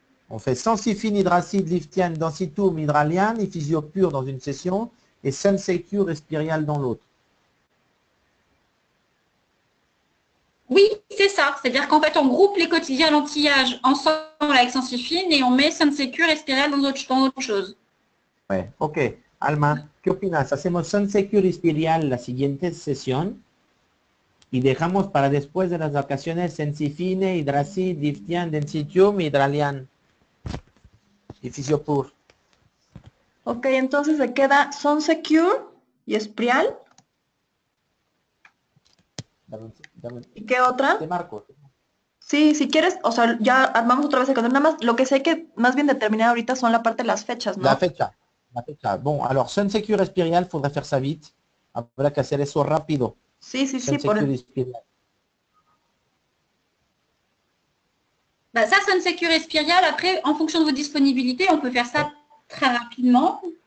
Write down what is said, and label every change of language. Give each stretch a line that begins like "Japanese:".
French: On fait Sensifine, Hydracide, Lifthian, Densitum, Hydralian et Physiopure dans une session et SunSecure et Spirial dans l'autre. Oui, c'est ça. C'est-à-dire qu'en fait, on groupe les quotidiens l'anti-âge ensemble avec Sensifine et on met SunSecure et Spirial dans autre chose. Ouais, ok.
Spanish: Alma, ¿qué opinas? Hacemos SunSecure y Spirial la siguiente sesión y dejamos para después de las vacaciones Sensifine, Hydracide, Lifthian, Densitium, Hydralian y Physiopure. Ok, entonces se queda SunSecure y Spirial. Dame. ¿Y qué otra? De Marco. Sí, si quieres, o sea, ya armamos otra vez el calendario. Nada más, lo que sé que más bien determinar ahorita son la parte de las fechas, ¿no? La fecha.
French: Bon, alors SunSecure et Spirial, il faudrait faire ça vite.
Spanish: Habrá que hacer eso rápido. Si, si, si.
French: SunSecure et Spirial. Ben ça, SunSecure et Spirial, après, en fonction de vos disponibilités, on peut faire ça très rapidement.